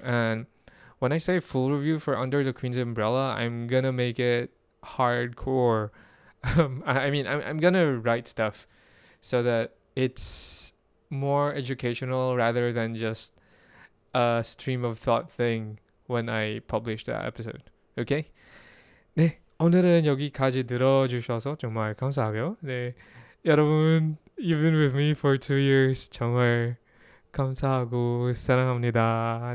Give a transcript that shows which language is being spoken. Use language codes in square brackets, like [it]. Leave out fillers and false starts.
[en] And when I say full review for Under the Queen's Umbrella, I'm going to make it hardcore. I'm going to write stuff so that it's more educational rather than just a stream of thought thing when I publish that episode. Okay? [ko] 네, 오늘은 여기까지 들어주셔서 정말 감사하고요. 네, 여러분, [en] you've been with me for 2 years. [ko] 정말 감사하고 사랑합니다.